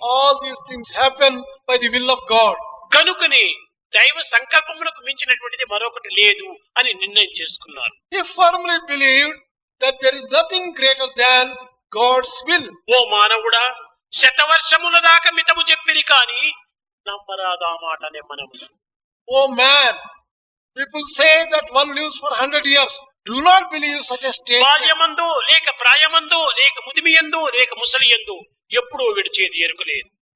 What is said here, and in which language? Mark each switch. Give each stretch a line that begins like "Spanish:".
English: all these things happen by the will of god
Telugu: కనుకనే దైవ సంకల్పములకు మించినటువంటిది మరొకటి లేదు అని నిర్ణయం చేసుకున్నారు
English: he firmly believed that there is nothing greater than god's will
Telugu: ఓ మానవుడా శతవర్షముల దాకా మితము చెప్పిరి కాని నమ్మరాదా మాట అనే మనము
English: O man people say that one lives for 100 years do not believe such a statement
Telugu: బాల్యమందు లేక ప్రాయమందు లేక ముదిమియందు లేక ముసలియందు ఎప్పుడూ విడిచేది ఎరుకలేదు